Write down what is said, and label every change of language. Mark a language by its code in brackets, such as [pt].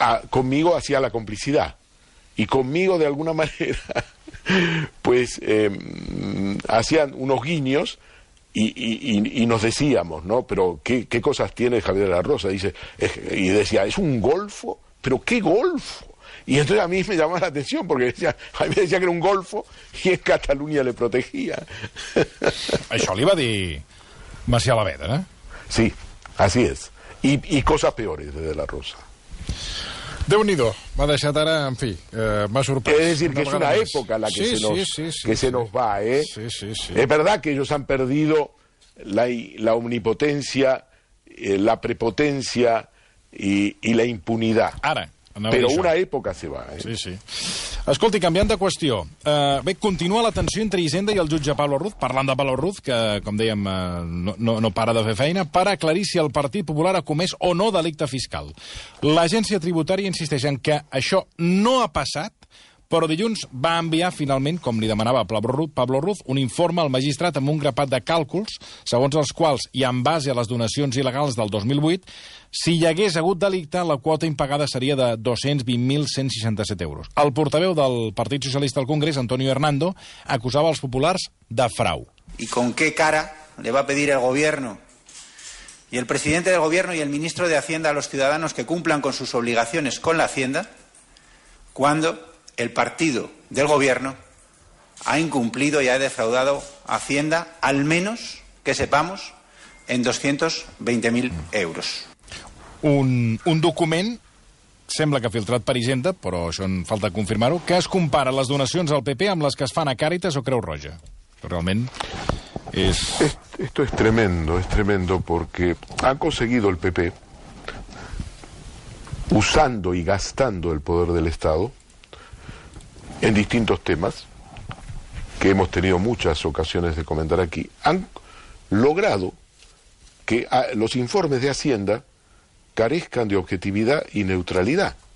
[es] Conmigo hacía la complicidad, y conmigo de alguna manera pues hacían unos guiños y nos decíamos, ¿no? Pero ¿qué cosas tiene Javier De la Rosa? Dice, y decía, es un golfo, pero ¿qué golfo? Y entonces a mí me llamaba la atención, porque decía, a mí me decía que era un golfo y en Cataluña le protegía. [ca] Això li va dir Macià Alavedra, ¿eh? [es] Sí, así es. Y cosas peores de la Rosa. [ca] Déu-n'hi-do, m'ha deixat ara, en fi, m'ha sorprès. És dir, que és una època la que [es] se nos va, [ca] ¿eh? Sí, sí, sí. [es] Es verdad que ellos han perdido la omnipotència, [ca] la prepotència i la impunitat. Ara. Però una època se va, ¿eh? Sí, sí. Escolti, canviant de qüestió, bé, continua la tensió entre Hisenda i el jutge Pablo Ruz, parlant de Pablo Ruz, que, com dèiem, no para de fer feina, per aclarir si el Partit Popular ha comès o no delicte fiscal. L'agència tributària insisteix en que això no ha passat, però dilluns va enviar, finalment, com li demanava Pablo Ruz, un informe al magistrat amb un grapat de càlculs, segons els quals, i en base a les donacions il·legals del 2008, si hi hagués hagut delicte, la quota impagada seria de 220.167 euros. El portaveu del Partit Socialista al Congrés, Antonio Hernando, acusava els populars de frau. [es] ¿Y con qué cara le va a pedir el gobierno y el presidente del gobierno y el ministro de Hacienda a los ciudadanos que cumplan con sus obligaciones con la Hacienda cuando el partido del gobierno ha incumplido y ha defraudado Hacienda, al menos, que sepamos, en 220.000 euros? [ca] Un document, sembla que filtrat per Hisenda, però això en falta confirmar-ho, que es compara les donacions al PP amb les que es fan a Càritas o Creu Roja. Realment és... [es] Esto es tremendo, porque ha conseguido el PP, usando y gastando el poder del Estado, en distintos temas, que hemos tenido muchas ocasiones de comentar aquí, han logrado que los informes de Hacienda carezcan de objetividad y neutralidad.